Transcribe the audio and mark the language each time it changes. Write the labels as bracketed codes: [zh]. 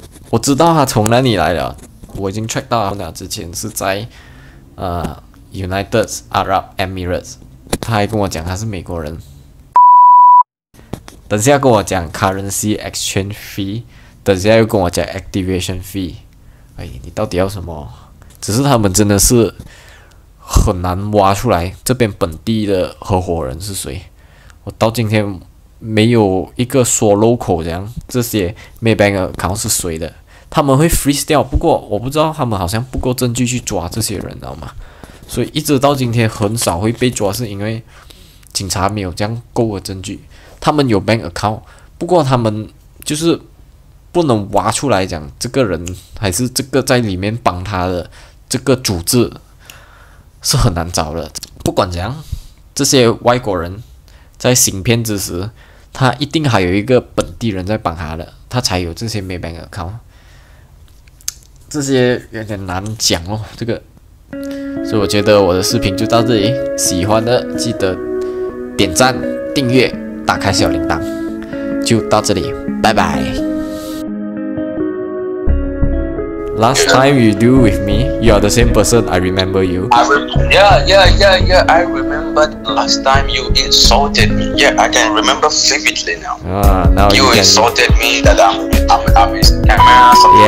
[en] I know it's from where it came from. I've checked out before. It's in United Arab Emirates. He told me he's an American person. Wait, he told me the currency exchange fee. [zh] 等下又跟我讲 activation fee， 哎，你到底要什么？只是他们真的是很难挖出来这边本地的合伙人是谁。我到今天没有一个说 local 这样，这些 Maybank account 是谁的？他们会 freeze 掉，不过我不知道他们好像不够证据去抓这些人，知道吗？所以一直到今天很少会被抓，是因为警察没有这样够的证据。他们有 bank account， 不过他们就是。不能挖出来讲这个人还是这个在里面帮他的这个组织是很难找的。不管怎样，这些外国人在行骗之时，他一定还有一个本地人在帮他的，他才有这些 Maybank account。这些有点难讲哦，这个。所以我觉得我的视频就到这里，喜欢的记得点赞、订阅、打开小铃铛，就到这里，拜拜。 [en] Last time you do with me, you are the same person. I remember you. Yeah. I remember the last time you insulted me. Yeah, I can remember vividly now. Now you can... insulted me that I'm a scammer or something